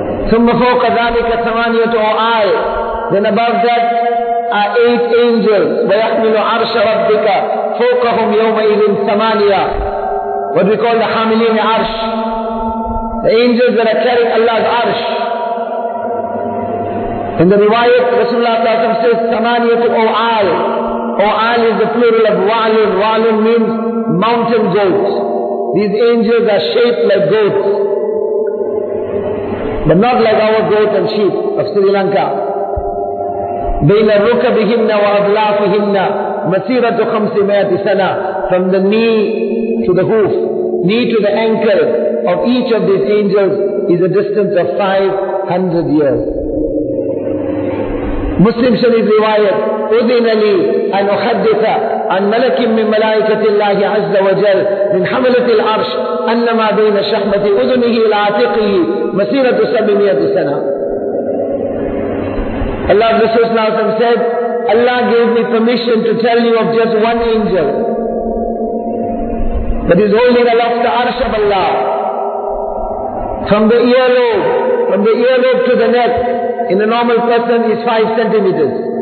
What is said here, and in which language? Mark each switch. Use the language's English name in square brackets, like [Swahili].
[Arabic] ثم فوق ذلك ثمانية أعالي. [English] Then above that are eight angels. [Arabic] وَيَحْمِلُ عَرْشَ رَبِّكَ فَوْقَهُمْ يَوْمَئِذٍ ثَمَانِيَةٌ. [English] What we call the [Arabic] حَامِلِينَ عَرْشَ. [English] The angels that are carrying Allah's عرش. In the riwayat, Rasulullah [Arabic] صلى الله عليه وسلم [English] says, [Arabic] ثمانية أعالي. [English] Oal is the plural of Walun. Walun means mountain goats. These angels are shaped like goats. But not like our goat and sheep of Sri Lanka. [Arabic] بَيْنَ رُكَبِهِنَّ وَأَضْلَافِهِنَّ مَسِيرَةُ خَمْسِ مَيَةِ سَنَةٍ. [English] From the knee to the hoof, knee to the ankle of each of these angels is a distance of 500 years. Muslim Sharif riwayat, [Arabic] أُذِنَ لِي أَنْ أُحَدِّثَ عَنْ مَلَكٍ مِّن مَلَائِكَةِ اللَّهِ عَزَّ وَجَلْ مِنْ حَمَلَةِ الْعَرْشِ أَنَّمَا بَيْنَ شَحْمَةِ أُذُنِهِ الْعَاتِقِهِ مَسِيرَةُ 700 سنة. [English] Allah Rasul [Arabic] Sallallahu Alaihi Wasallam [English] said, Allah gave me permission to tell you of just one angel that is holding aloft the arsh of Allah. From the earlobe, from the earlobe to the neck, in a normal person is 5 centimeters.